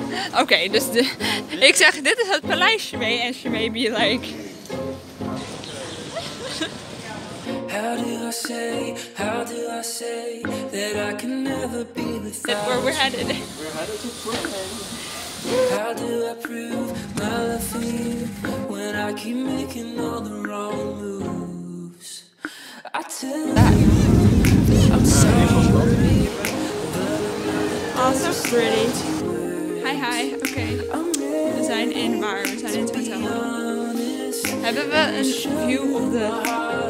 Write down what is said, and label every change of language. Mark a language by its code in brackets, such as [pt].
[nl] Oké, okay, dus ik zeg, dit is het paleis, Shmee. [en] En Shmee be like... How do I say that I can never be without you? Where we're headed. How do I prove my love for you when I keep making all the wrong moves? I tell you, I'm sorry, but I'm not so pretty. [nl] Hi, oké. Okay. We zijn in Waar, we zijn in het hotel. Hebben we een [en] view of the...